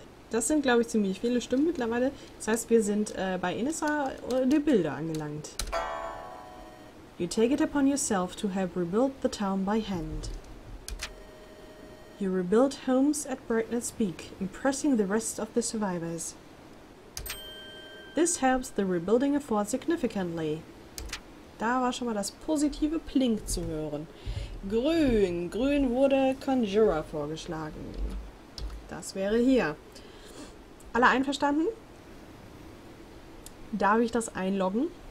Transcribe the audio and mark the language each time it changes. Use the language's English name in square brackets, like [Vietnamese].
[German] Das sind, glaube ich, ziemlich viele Stimmen mittlerweile. Das heißt, wir sind bei Inisra die Bilder angelangt. [English] You take it upon yourself to have rebuilt the town by hand. You rebuilt homes at Brightness Peak, impressing the rest of the survivors. This helps the rebuilding effort significantly. [German] Da war schon mal das positive Plink zu hören. Grün. Grün wurde Conjurer vorgeschlagen. Das wäre hier. Alle einverstanden? Darf ich das einloggen?